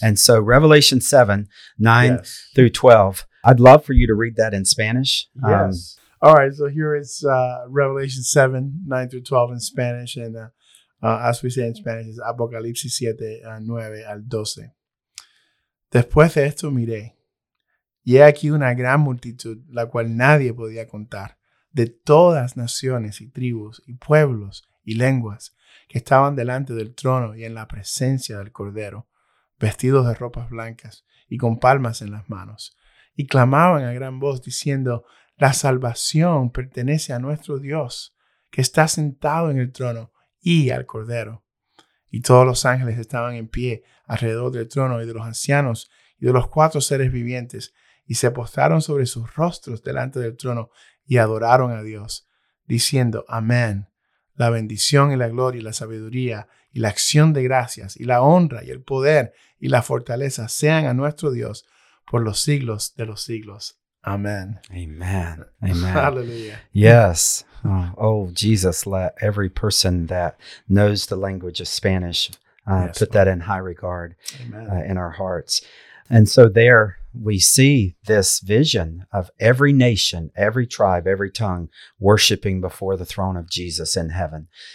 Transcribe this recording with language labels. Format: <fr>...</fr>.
<en>And so Revelation 7:9 yes. through 12, I'd love for you to read that in Spanish. Yes. All right. So here is Revelation 7:9-12 in Spanish. And as we say in Spanish, it's Apocalipsis 7:9-12.</en> <es>Después de esto miré, y he aquí una gran multitud, la cual nadie podía contar, de todas naciones y tribus y pueblos y lenguas, que estaban delante del trono y en la presencia del Cordero, vestidos de ropas blancas y con palmas en las manos, y clamaban a gran voz diciendo, la salvación pertenece a nuestro Dios, que está sentado en el trono y al Cordero. Y todos los ángeles estaban en pie alrededor del trono y de los ancianos y de los cuatro seres vivientes, y se postraron sobre sus rostros delante del trono y adoraron a Dios, diciendo, Amén. La bendición y la gloria y la sabiduría y la acción de gracias y la honra y el poder y la fortaleza sean a nuestro Dios por los siglos de los siglos. Amén. Amén. Amén. Aleluya.</es> <en>Yes. Oh, Jesus, let every person that knows the language of Spanish yes, put that in high regard in our hearts. And so there we see this vision of every nation, every tribe, every tongue worshiping before the throne of Jesus in heaven.</en>